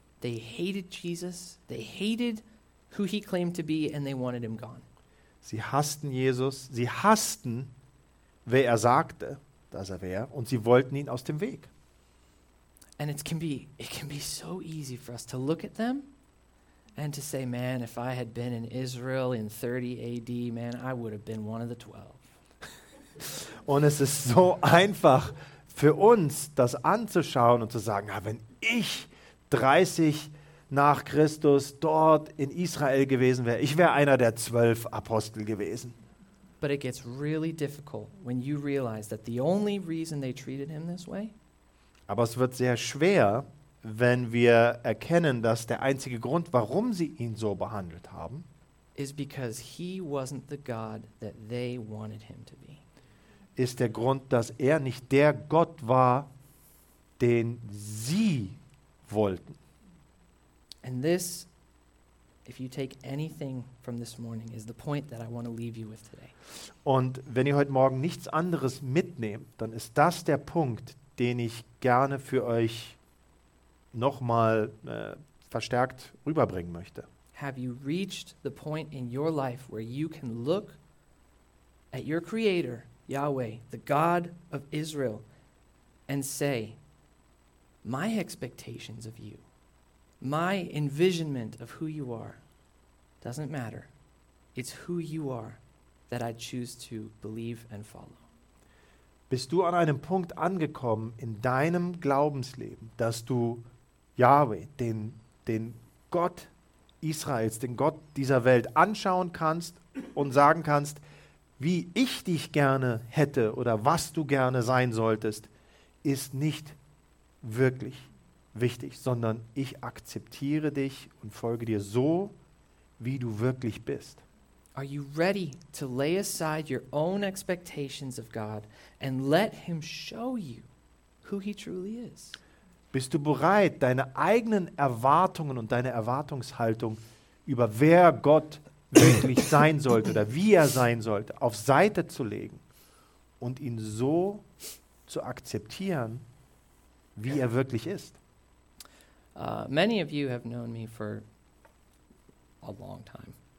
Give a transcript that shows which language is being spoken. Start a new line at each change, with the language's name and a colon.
English: They hated Jesus, they hated who he claimed to be, and they wanted him gone.
German: Sie hassten Jesus, sie hassten, wer er sagte, dass er wäre, und sie wollten ihn aus dem Weg.
English: And it can be so easy for us to look at them and to say, "Man, if I had been in Israel in 30 AD, man, I would have been one of the 12."
German: Und es ist so einfach für uns, das anzuschauen und zu sagen, ja, wenn ich 30 nach Christus dort in Israel gewesen wäre, ich wäre einer der 12 Apostel gewesen.
English: But it gets really difficult when you realize that the only reason they treated him this way.
German: Aber es wird sehr schwer, wenn wir erkennen, dass der einzige Grund, warum sie ihn so behandelt haben,
English: is because he wasn't the God that they wanted him to be.
German: Ist der Grund, dass er nicht der Gott war, den sie wollten.
English: And this, if you take anything from this morning, is the point that I want to leave you with today.
German: Und wenn ihr heute Morgen nichts anderes mitnehmt, dann ist das der Punkt, den ich gerne für euch nochmal verstärkt rüberbringen möchte.
English: Have you reached the point in your life where you can look at your creator, Yahweh, the God of Israel, and say, "My expectations of you, my envisionment of who you are, doesn't matter. It's who you are that I choose to believe and follow."
German: Bist du an einem Punkt angekommen in deinem Glaubensleben, dass du Yahweh, den Gott Israels, den Gott dieser Welt anschauen kannst und sagen kannst, wie ich dich gerne hätte oder was du gerne sein solltest, ist nicht wirklich wichtig, sondern ich akzeptiere dich und folge dir so, wie du wirklich bist.
English: Are you ready to lay aside your own expectations of God and let him show you who he truly is?
German: Bist du bereit, deine eigenen Erwartungen und deine Erwartungshaltung über wer Gott wirklich sein sollte oder wie er sein sollte, auf Seite zu legen und ihn so zu akzeptieren, wie er wirklich ist?
English: Many of you have known me for a long time.